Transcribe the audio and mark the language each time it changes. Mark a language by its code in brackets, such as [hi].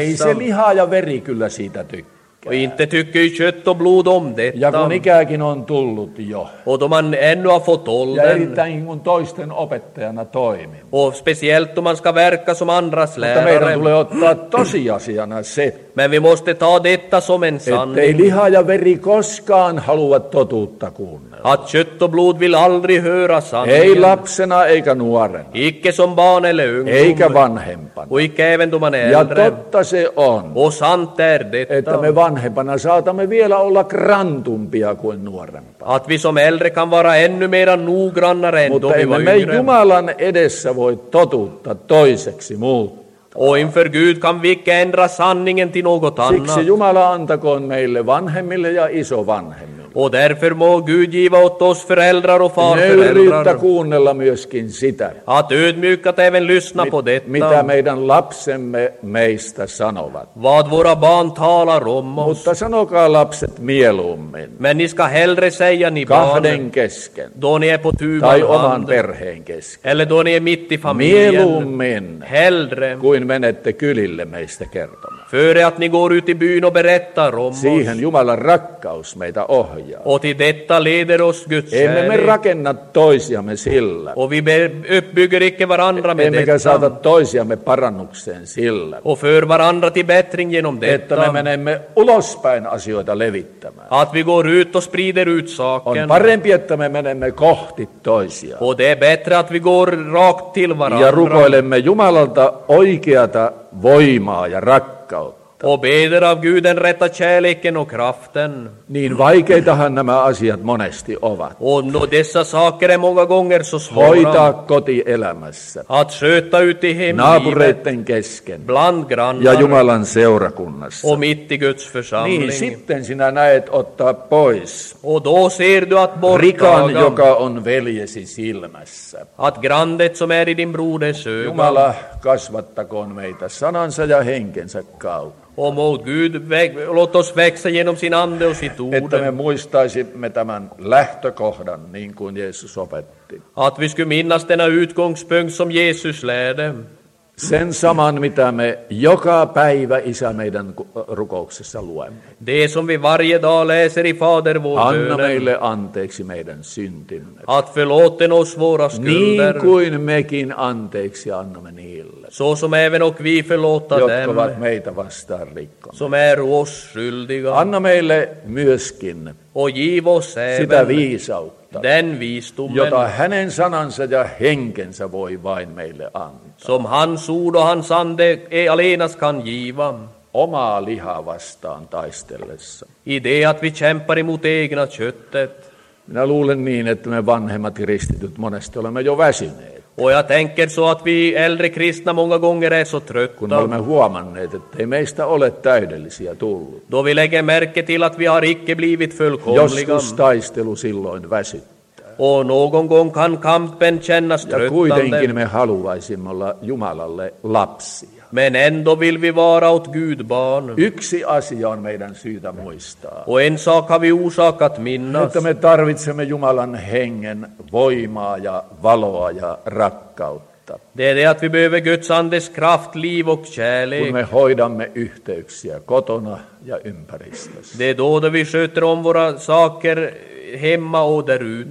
[fi] Ei se liha ja veri kyllä siitä tykkää. [sv] Och inte tycker kött och blod om detta. [fi] Ja kun ikäkin on tullut jo. [sv] Och då man ännu har fått åldern. [fi] Ja erittäin kun toisten opettajana toimin. [sv] Och speciellt om man ska verka som andras lärare. [fi] Mutta meidän tulee ottaa tosiasiana se. [sv] Men vi måste ta detta som en sanning. [fi] Ettei liha ja veri koskaan halua totuutta kuunnella. [sv] Att kött och blod vill aldrig höra sanningen. [fi] Ei lapsena eikä nuorena. [sv] Icke som barn eller ung. [fi] Eikä vanhempana. [sv] Och icke även då man är äldre. [fi] Ja totta se on. [sv] Och sant är detta. [fi] Vanhempana saatamme vielä olla grantumpia kuin nuorempaa. [sv] Att vi som äldre kan vara ännu mera noggrannare än då vi var yngre. [fi] Mutta Jumalan edessä voi totuutta toiseksi muuttaa. [sv] Och inför Gud kan vi icke ändra sanningen till något annat. [fi] Siksi Jumala antakoon meille vanhemmille ja isovanhemmille. [sv] Och därför må Gud giva åt oss föräldrar och farföräldrar. [fi] Nöyryyttä kuunnella myöskin sitä. [sv] Att ödmjukat även lyssna på detta. [fi] Mitä meidän lapsemme meistä sanovat. [sv] Vad våra barn talar om oss. [fi] Mutta sanokaa lapset mieluummin. [sv] Men ni ska hellre säga ni barn. [fi] Kahden kesken. [sv] Då ni är på tyvan [fi] tai oman hand. Perheen kesken. [sv] Eller då ni är mitt i familjen. [fi] Mieluummin. [sv] Hellre. [fi] Kuin menette kylille meistä kertomaan. [sv] Före att ni går ut i byn och berättar om oss. [fi] Siihen Jumalan rakkaus meitä ohjaa. [sv] Och till detta leder oss Guds kärlek. [fi] Emme me rakenna toisiamme sillä. [sv] Och vi uppbygger icke varandra med detta. [fi] Emmekä saata toisiamme parannukseen sillä. [sv] Och för varandra till bättring genom detta. [fi] Että me menemme ulospäin asioita levittämään. [sv] Att vi går ut och sprider ut saken. [fi] On parempi, että me menemme kohti toisia. [sv] Och det är bättre att vi går rakt till varandra. [fi] Ja rukoilemme Jumalalta oikeata voimaa ja rakkautta. [sv] Och beder av Gud den rätta kärleken och kraften. [fi] Niin vaikeitahan nämä asiat monesti ovat. [sv] Och no, dessa saker är många gånger så svåra. [fi] Hoitaa kotielämässä. [sv] Att sköta ut i hemlivet. [fi] Naapureitten kesken. [sv] Bland grannar. [fi] Ja Jumalan seurakunnassa. [sv] Och mitt i Guds församling. [fi] Niin sitten sinä näet ottaa pois. [sv] Och då ser du att borttaga. [fi] Rikan, joka on veljesi silmässä. [sv] Att grandet som är i din broders ögon. [fi] Jumala kasvattakoon meitä sanansa ja henkensä kautta. [sv] Och må Gud låt oss växa genom sin ande och sitt ord. [fi] Että me muistaisimme tämän lähtökohdan, niin kuin Jeesus opetti. [sv] Att vi skulle minnas denna utgångspunkt som Jesus lärde. [fi] Sen saman, mitä me joka päivä, Isä, meidän rukouksessa luemme. [sv] Det som vi varje dag läser i Fader vår bönen. [fi] Anna meille anteeksi meidän syntimme. [sv] Att förlåten oss våra skulder. [fi] Niin kuin mekin anteeksi annamme niille. [sv] Så som även och vi förlåta dem. [fi] Jotka ovat meitä vastaan rikkomme. [sv] Som är oss skyldiga. [fi] Anna meille myöskin. [sv] Och giv oss även. [fi] Sitä viisautta. [sv] Den viistummen, [fi] jota hänen sanansa ja henkensä voi vain meille antaa. [sv] Som hans ord och hans ande ei alenas kan giva. [fi] Omaa lihaa vastaan taistellessa. [sv] I det att vi kämpar emot egna köttet. [fi] Minä luulen niin, että me vanhemmat kristityt monesti olemme jo väsyneet. [sv] Och jag tänker så att vi äldre kristna många gånger är så trötta. [fi] Kun olemme huomanneet, että ei meistä ole täydellisiä tullut. [sv] Då vi lägger märke till att vi har icke blivit fullkomliga. [fi] Joskus taistelu silloin väsyttää. [sv] Och någon gång kan kampen kännas tröttande. [fi] Ja kuitenkin me haluaisimme olla Jumalalle lapsia. [sv] Men ändå vill vi vara åt Gud barn. [fi] Yksi asia on meidän syytä muistaa. [sv] Och en sak har vi orsakat minnas. [fi] Että me tarvitsemme Jumalan hengen voimaa ja valoa ja rakkautta. [sv] Det är det att vi behöver Guds andes kraft, liv och kärlek. [fi] Kun me hoidamme yhteyksiä kotona ja ympäristössä. [sv] Det är då vi sköter om våra saker hemma och där ute.